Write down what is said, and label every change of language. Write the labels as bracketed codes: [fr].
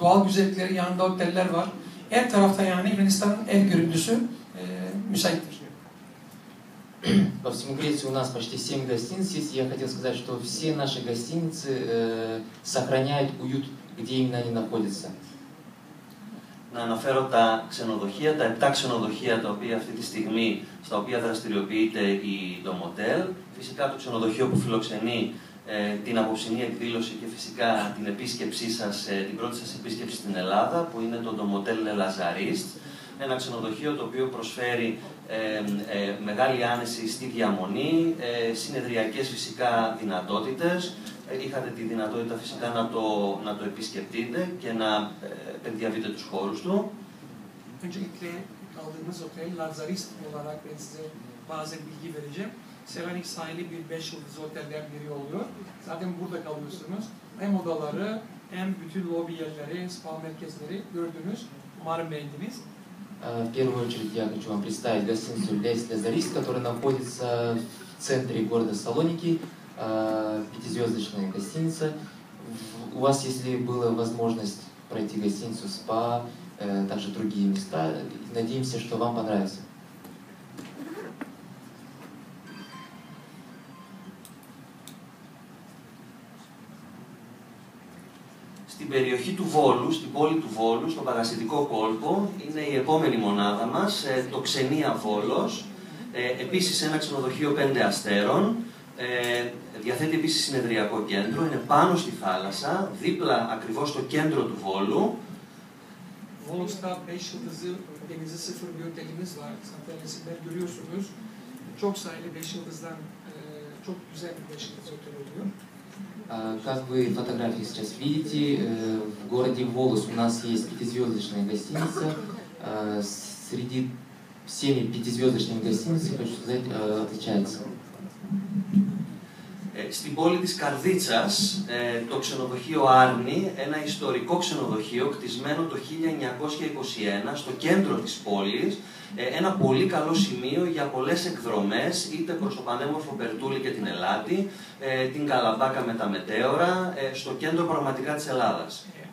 [tr] Doğal güzellikleri yanında oteller var. Her tarafta yani Yunanistan'ın en görüntüsü müsaittir. [ru] Во всему Греции у нас почти 7 гостиниц есть. Я хотел сказать, что все наши гостиницы сохраняют уют, где именно они находятся. [el] Να αναφέρω τα ξενοδοχεία, τα 7 ξενοδοχεία τα οποία αυτή τη στιγμή στα οποία δραστηριοποιείται το Motel. Φυσικά το ξενοδοχείο που φιλοξενεί την αποψινή εκδήλωση και φυσικά την επίσκεψή σας, την πρώτη σας επίσκεψη στην Ελλάδα, που είναι το Motel Lazarist. Ένα ξενοδοχείο το οποίο προσφέρει μεγάλη άνεση στη διαμονή, συνεδριακές φυσικά δυνατότητες. Είχατε τη δυνατότητα φυσικά να το επισκεφτείτε και να διαβείτε τους χώρους του. [tr] Öncelikle kaldığımız otel Lazarist olarak ben size bazı bilgi vereceğim. Selanik sahili bir 5 yıldızlı otellerden biri oluyor. Zaten burada kalıyorsunuz. Hem odaları hem bütün lobi yerleri, spa merkezleri gördünüz. Umarım beğendiniz. [ru] В первую очередь я хочу вам представить гостиницу Les Lazaris, которая находится в центре города Салоники. Пятизвездочная гостиница. У вас, если была возможность пройти гостиницу, спа, также другие места, надеемся, что вам понравится. [el] Στην περιοχή του Βόλου, στην πόλη του Βόλου, στον παρασιτικό κόλπο, είναι η επόμενη μονάδα μας, το Ξενία Βόλος. Επίσης ένα ξενοδοχείο 5 αστέρων. Διαθέτει επίσης συνεδριακό κέντρο, είναι πάνω στη θάλασσα, δίπλα ακριβώς στο κέντρο του Βόλου. [tr] Βόλος τα 5 yıldızlı denize sıfır bir otelimiz var. Zaten sizler görüyorsunuz. Çok sayılı 5 yıldızdan çok güzel bir 5 yıldızlı otel oluyor. [ru] Как вы фотографии сейчас видите, в городе Волос у нас есть пятизвездочная гостиница. Среди всеми пятизвездочными гостиницами, хочу сказать, отличается. [el] Στην πόλη της Καρδίτσας, το ξενοδοχείο Άρνη, ένα ιστορικό ξενοδοχείο κτισμένο το 1921 στο κέντρο της πόλης, ένα πολύ καλό σημείο για πολλές εκδρομές, είτε προς το πανέμορφο Μπερτούλη και την Ελλάδα, την Καλαμπάκα με τα Μετέωρα, στο κέντρο πραγματικά της Ελλάδας.